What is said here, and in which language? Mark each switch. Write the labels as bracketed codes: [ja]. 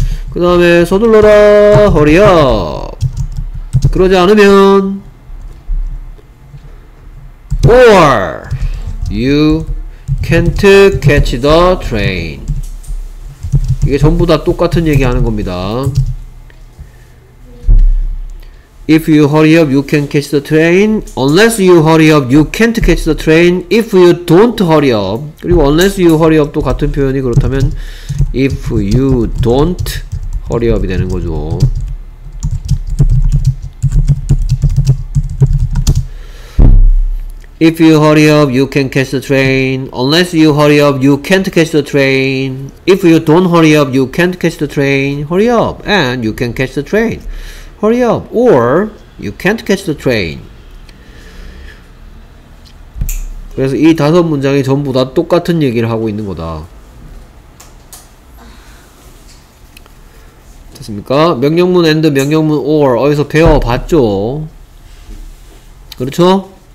[ko] 그 다음에 서둘러라. [en] Hurry up. [ko] 그러지 않으면 [en] Or you can't catch the train. [ko] 이게 전부 다 똑같은 얘기 하는 겁니다. [en] If you hurry up, you can catch the train. Unless you hurry up, you can't catch the train. If you don't hurry up, [ko] 그리고 [en] unless you hurry up [ko] 도 같은 표현이 그렇다면 [en] if you don't hurry up [ko] 이 되는 거죠. [en] If you hurry up, you can catch the train. Unless you hurry up, you can't catch the train. If you don't hurry up, you can't catch the train. Hurry up, and you can catch the train. Hurry up, or you can't catch the train. [ko] 그래서 이 다섯 문장이 전부 다 똑같은 얘기를 하고 있는 거다. 됐습니까? 명령문 and, 명령문 or 어디서 배워봤죠? 그렇죠?